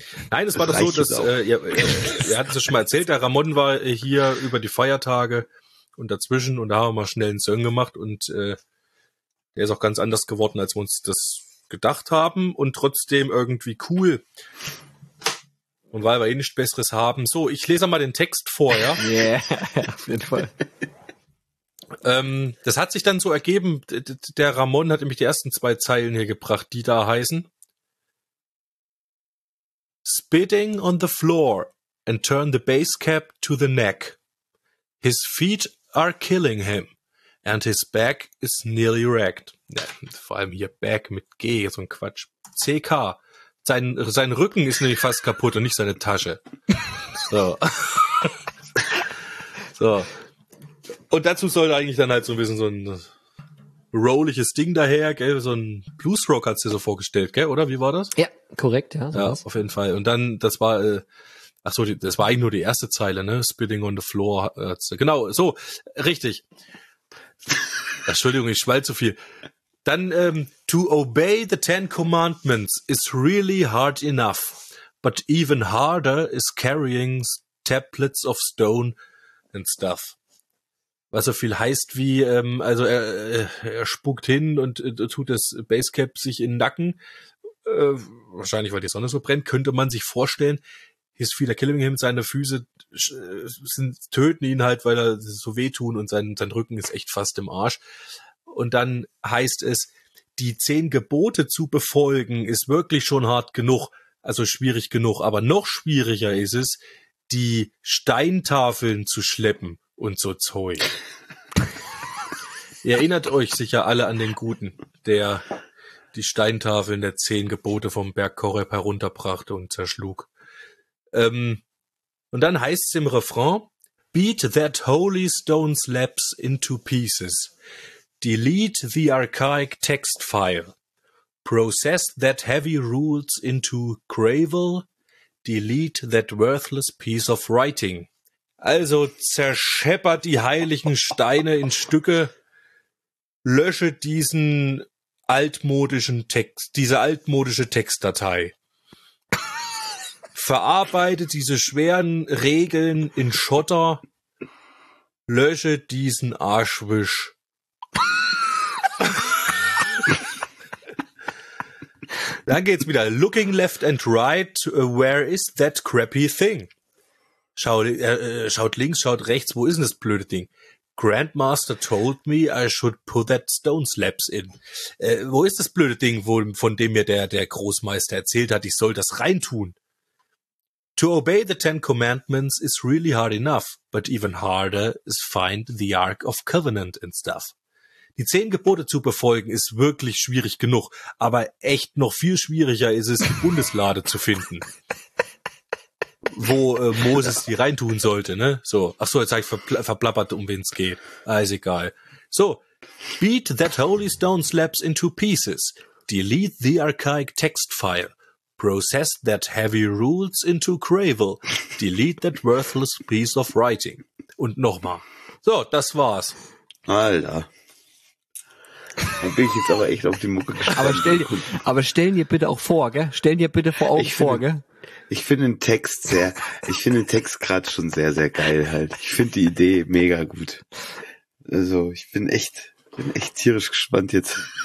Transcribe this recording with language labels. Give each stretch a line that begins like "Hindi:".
German: Nein, es war doch so, dass wir hatten es ja schon mal erzählt, der Ramon war hier über die Feiertage und dazwischen und da haben wir mal schnell einen Song gemacht und der ist auch ganz anders geworden, als wir uns das gedacht haben und trotzdem irgendwie cool. Und weil wir eh nichts Besseres haben. So, ich lese mal den Text vor, ja? Ja, auf jeden Fall. Das hat sich dann so ergeben, der Ramon hat nämlich die ersten zwei Zeilen hier gebracht, die da heißen.
English: Spitting on the floor and turn the base cap to the neck. His feet are killing him and his back is nearly wrecked.
German: Ja, vor allem hier back mit G, so ein Quatsch. CK. Sein Rücken ist nämlich fast kaputt und nicht seine Tasche. So. Und dazu soll eigentlich dann halt so ein bisschen so ein rolliges Ding daher, gell, so ein Bluesrock hat's dir so vorgestellt, gell, oder? Wie war das? Ja, korrekt, ja. So ja, was. Auf jeden Fall. Und dann, das war, das war eigentlich nur die erste Zeile, ne? Spitting on the floor. Genau, so, richtig. Entschuldigung, ich schwall zu viel.
English: Dann, to obey the Ten Commandments is really hard enough. but even harder is carrying tablets of stone and stuff.
German: Was so viel heißt wie, also er spuckt hin und tut das Basecap sich in den Nacken. Wahrscheinlich, weil die Sonne so brennt, könnte man sich vorstellen, ist viel der Killing Him, seine Füße sind, töten ihn halt, weil er so wehtun und sein Rücken ist echt fast im Arsch. Und dann heißt es, die 10 Gebote zu befolgen, ist wirklich schon hart genug, also schwierig genug. Aber noch schwieriger ist es, die Steintafeln zu schleppen und so Zeug. Ihr erinnert euch sicher alle an den Guten, der die Steintafeln der 10 Gebote vom Berg Koreb herunterbrachte und zerschlug. Und dann heißt es im Refrain,
English: beat that holy stone slabs into pieces. Delete the archaic text file. Process that heavy rules into gravel. Delete that worthless piece of writing.
German: Also zerscheppert die heiligen Steine in Stücke. Lösche diesen altmodischen Text, diese altmodische Textdatei. Verarbeitet diese schweren Regeln in Schotter. Lösche diesen Arschwisch. Dann geht's wieder.
English: Looking left and right, where is that crappy thing?
German: Schaut links, schaut rechts, wo ist denn das blöde Ding?
English: Grandmaster told me I should put that stone slabs in.
German: Wo ist das blöde Ding, von dem mir der Großmeister erzählt hat, ich soll das reintun?
English: To obey the 10 commandments is really hard enough, but even harder is find the Ark of Covenant and stuff.
German: Die 10 Gebote zu befolgen ist wirklich schwierig genug, aber echt noch viel schwieriger ist es, die Bundeslade zu finden. Wo Moses die reintun sollte, ne? So, ach so, jetzt habe ich verplappert, um wen es geht. Ist egal.
English: So, beat that holy stone slabs into pieces. Delete the archaic text file. Process that heavy rules into gravel. Delete that worthless piece of writing.
German: Und nochmal. So, das war's. Alter. Da bin ich jetzt aber echt auf die Mucke gespannt. Aber stell dir bitte auch vor, gell? Stell dir bitte vor Augen vor, gell? Ich finde den Text gerade schon sehr, sehr geil halt. Ich finde die Idee mega gut. Also, ich bin echt tierisch gespannt jetzt.